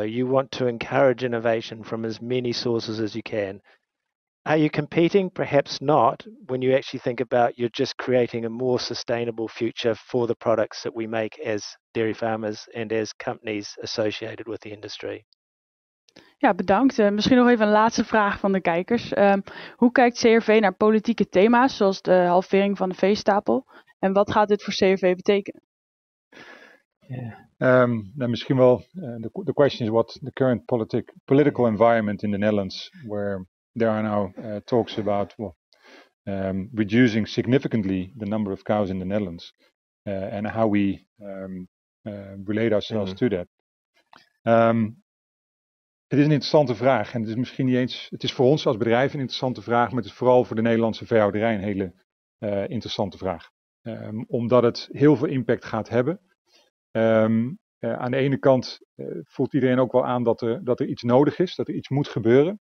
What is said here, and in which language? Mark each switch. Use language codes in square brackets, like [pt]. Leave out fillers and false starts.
[en] You want to encourage innovation from as many sources as you can. Are you competing? Perhaps not, when you actually think about you're just creating a more sustainable future for the products that we make as dairy farmers and as companies associated with the industry. [nl] Ja, bedankt. Misschien nog even een laatste vraag van de kijkers. Hoe kijkt CRV naar politieke thema's zoals de halvering van de veestapel? En wat gaat dit voor CRV betekenen? Misschien wel, [en] the question is what the current political environment in the Netherlands, where there are now talks about reducing significantly the number of cows in the Netherlands, and how we relate ourselves to that. [nl] Het is een interessante vraag, en het is misschien niet eens, het is voor ons als bedrijf een interessante vraag, maar het is vooral voor de Nederlandse veehouderij een hele interessante vraag. Omdat het heel veel impact gaat hebben. Aan de ene kant voelt iedereen ook wel aan dat er iets nodig is, dat er iets moet gebeuren.